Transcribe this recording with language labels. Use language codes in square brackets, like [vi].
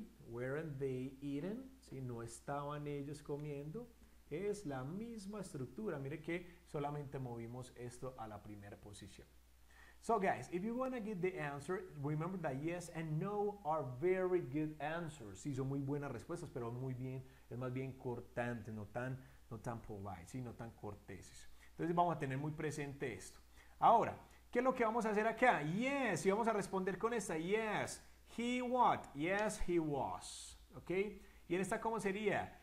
[en] Weren't they eating? [es] ¿Sí? No estaban ellos comiendo. Es la misma estructura. Mire que solamente movimos esto a la primera posición. [en] So guys, if you want to get the answer, remember that yes and no are very good answers. [es] Sí, son muy buenas respuestas, pero muy bien, es más bien cortante, no tan polite, ¿sí? No tan corteses. Entonces vamos a tener muy presente esto. Ahora, ¿qué es lo que vamos a hacer acá? Yes, y vamos a responder con esta. [en] Yes, he what? Yes, he was. [es] ¿Ok? Y en esta, ¿cómo sería?